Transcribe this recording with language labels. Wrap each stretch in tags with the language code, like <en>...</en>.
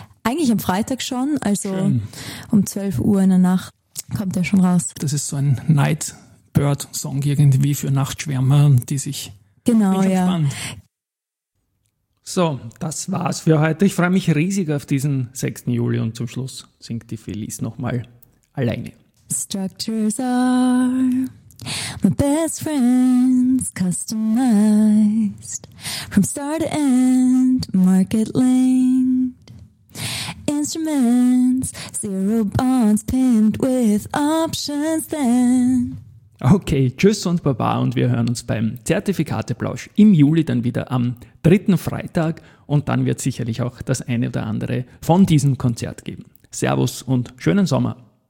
<de>Eigentlich am Freitag schon, also schön. Um 12 Uhr in der Nacht kommt er schon raus. Das ist so ein Night Bird-Song irgendwie für Nachtschwärmer, die sich... Genau, ja. So, das war's für heute. Ich freue mich riesig auf diesen 6. Juli und zum Schluss singt die Felice nochmal alleine.</de> <en>Structures are my best friends, customized from start to end, market linked instruments, zero bonds pinned with options then.</en> <de>Okay, tschüss und baba und wir hören uns beim Zertifikateplausch im Juli dann wieder am 3. Freitag und dann wird sicherlich auch das eine oder andere von diesem Konzert geben. Servus und schönen Sommer!</de>